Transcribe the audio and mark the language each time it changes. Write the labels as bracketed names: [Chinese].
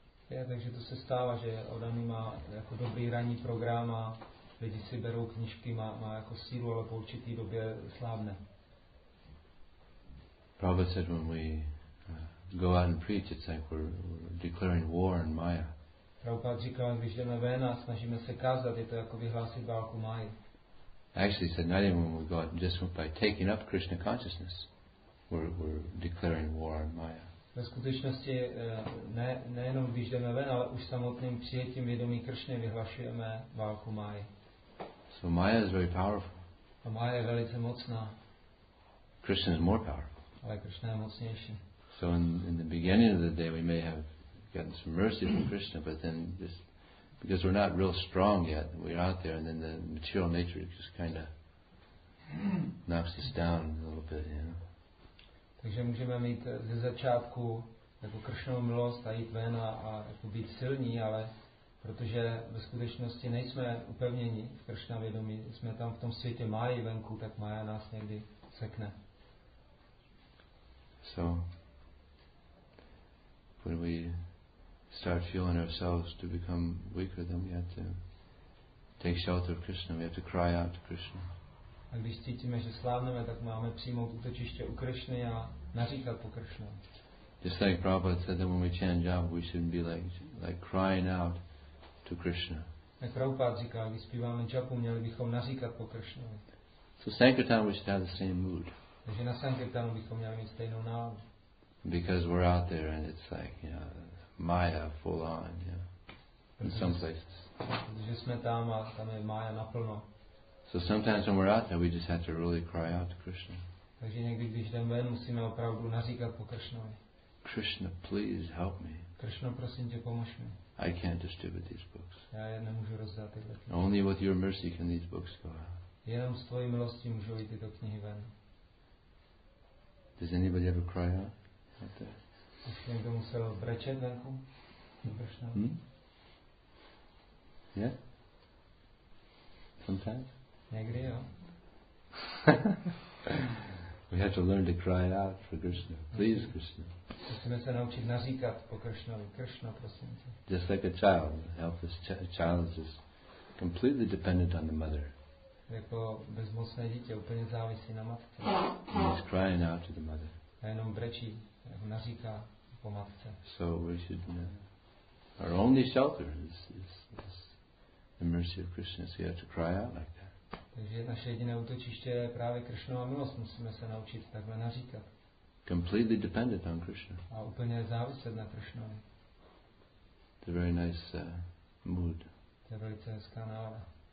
[Czech] Yeah, takže to se stává, že odaný má jako dobrý ranní program a lidi si berou knížky, má jako sílu, ale po určitý době slábne. [English] Prabhupada said when we go out and preach, it's like we're declaring war on Maya. [Czech] Prabhupada říkal, když jdeme ven a snažíme se kázat, je to jako vyhlásit válku Máji. [English] Actually, he said, not even when we go out, just by taking up Krishna consciousness, we're declaring war on Maya. [Czech] Ve skutečnosti nejenom když jdeme ven, ale už samotným přijetím vědomí Kršny vyhlašujeme válku Máji. [English] So Maya is very powerful. [Czech] A Maya je velice mocná. [English] Krishna is more powerful. [Czech] Ale Kršna je mocnější. [English] So in the beginning of the day, we may have gotten some mercy from Krishna, but then just because we're not real strong yet, we're out there, and then the material nature just kind of knocks us down a little bit, you know. [Czech] Takže můžeme mít ze začátku jako Krishnovu milost a jít ven a být silní, ale protože ve skutečnosti nejsme upevněni v Krishna vědomí, jsme tam v tom světě Máji venku, tak Maja nás někdy sekne. [English] So when we start feeling ourselves to become weaker, then we have to take shelter of Krishna. We have to cry out to Krishna. [Czech] A když cítíme, že slábneme, tak máme přijmout útočiště u Krishny a naříkat po Krishna. [English] Just like Prabhupada said, that when we chant japa, we shouldn't be like crying out to Krishna. [Czech] Jak Prabhupada říká, když zpíváme japu, měli bychom naříkat po Krishna. [English] So Sankirtan, we should have the same mood. [Czech] Takže na sankirtanu bychom měli mít stejnou náladu. [English] Because we're out there and it's like, you know, Maya full on, yeah. In some places. [Czech] Protože jsme tam a tam je Maya naplno. [English] So sometimes when we're out there, we just have to really cry out to Krishna. [Czech] Takže někdy, když jdeme ven, musíme opravdu naříkat po Krishnovi. [English] Krishna, please help me. [Czech] Krishna, prosím tě, pomož mi. [English] I can't distribute these books. [Czech] Já je nemůžu rozdát tyhle knihy. [English] Only with your mercy can these books go out. [Czech] Jenom s tvojí milostí můžou jít tyto knihy ven. [English] Does anybody ever cry out? Okay. [Czech] Už někdo musel brečet venku? [English] Krishna. Hmm? Yeah? Sometimes? [Czech] Někdy, jo. [English] We have to learn to cry out for Krishna. Please, Krishna. [Czech] Musíme se naučit naříkat po Krishnovi. Krishna, prosím tě. [English] Just like a child. Helpless child is completely dependent on the mother. [Czech] Jako bezmocné dítě, úplně závisí na matce. [English] And he's crying out to the mother. [Czech] A jenom brečí, jako naříká po matce. [English] So we should, our only shelter is the mercy of Krishna. So you have to cry out like that. [Czech] Takže naše jediné útočiště je právě Krishnova milost. Musíme se naučit takhle naříkat. [English] Completely dependent on Krishna. [Czech] A úplně záviset na Krishnovi. [English] It's a very nice mood. [Czech] To je velice hezká nálada.